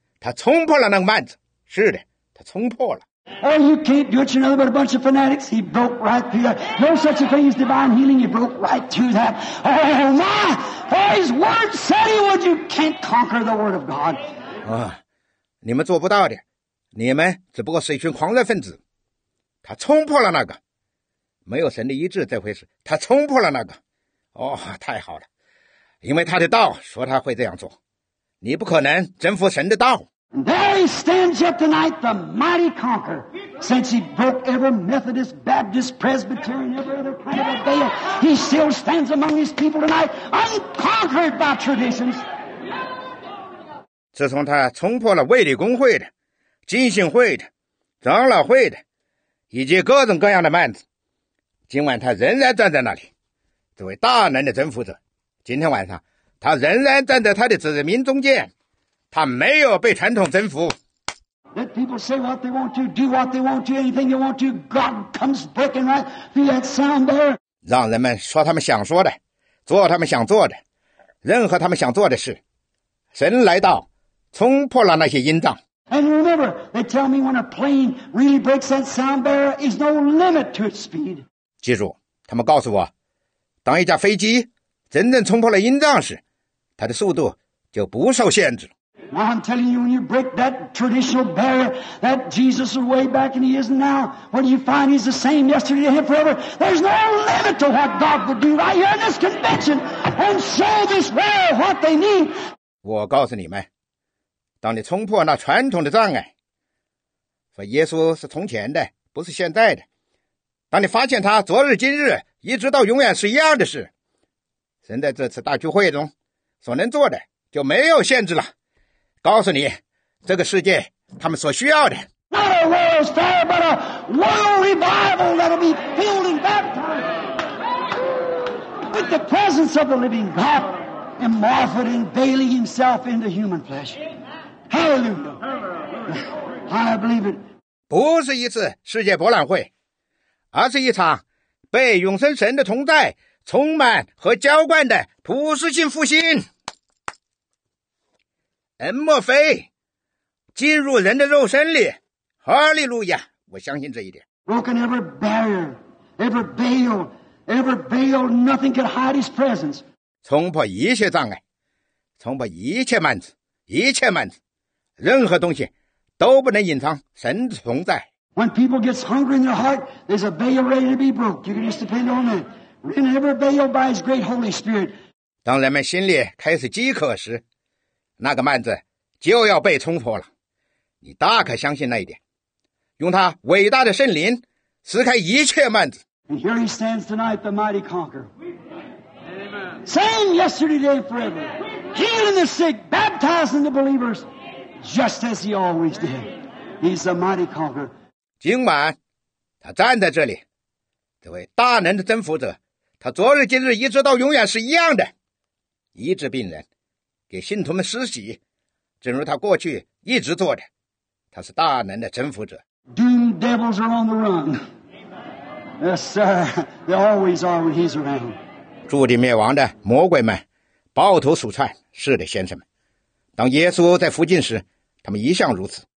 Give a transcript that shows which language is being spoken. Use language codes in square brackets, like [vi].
[zh] 他冲破了那个绊子。是的。他冲破了。 [en] Oh, you can't do it, you know, but a bunch of fanatics. He broke right through that. No such a thing as divine healing. He broke right through that. Oh, my! For his word said he would. You can't conquer the word of God. [zh] 啊，你们做不到的，你们只不过是一群狂热分子。他冲破了那个，没有神的医治这回事。他冲破了那个。哦，太好了，因为他的道说他会这样做。你不可能征服神的道。 [en] And there he stands yet tonight, the mighty conqueror. Since he broke every Methodist, Baptist, Presbyterian, every other kind of a veil, he still stands among his people tonight, unconquered by traditions. [zh] 自从他冲破了卫理公会的、浸信会的、长老会的，以及各种各样的幔子，今晚他仍然站在那里，这位大能的征服者。今天晚上，他仍然站在他的子民中间。他没有被传统征服。 [en] Let people say what they want to, do what they want to, anything they want to. God comes breaking right through that sound there. [zh] 让人们说他们想说的，做他们想做的，任何他们想做的事。神来到，冲破了那些音障。 [en] And remember, they tell me when a plane really breaks that sound there is no limit to its speed. [zh] 记住，他们告诉我，当一架飞机真正冲破了音障时，它的速度就不受限制。 [en] Now I'm telling you, when you break that traditional barrier, that Jesus is way back and he is now, when you find he's the same yesterday and forever, there's no limit to what God will do right here in this convention and show this world what they need. [zh] 我告诉你们，当你冲破那传统的障碍，说耶稣是从前的，不是现在的，当你发现他昨日今日一直到永远是一样的事，神在这次大聚会中所能做的就没有限制了。告诉你，这个世界他们所需要的。 [en] Not a world's fair, but a world revival that'll be filled and baptized with the presence of the living God, and Martha and veiling himself into human flesh. Hallelujah! I believe it. [zh] 不是一次世界博览会，而是一场被永生神的同在充满和浇灌的普世性复兴。恩莫非进入人的肉身里，哈利路亚！我相信这一点。 [en] Broken every barrier, every veil, every veil. Nothing can hide His presence. [zh] 冲破一切障碍，冲破一切幔子，一切幔子，任何东西都不能隐藏神的存在。 [en] When people get hungry in their heart, there's a veil ready to be broke. You can just depend on that. Rend every veil by His great Holy Spirit. [zh] 当人们心里开始饥渴时。那个幔子就要被冲破了，你大可相信那一点。用他伟大的圣灵撕开一切幔子。 [en] And here he stands tonight, the mighty conqueror. Same yesterday, day, forever. Healing the sick, baptizing the believers, just as he always did. He's the mighty conqueror. [zh] 今晚他站在这里，这位大能的征服者，他昨日今日一直到永远是一样的，医治病人。给信徒们施洗，正如他过去一直做的，他是大能的征服者。 [en] Doom devils are on the run. Yes, sir. They always are when he's around. [zh] 注定灭亡的魔鬼们，抱头鼠窜。是的，先生们，当耶稣在附近时，他们一向如此。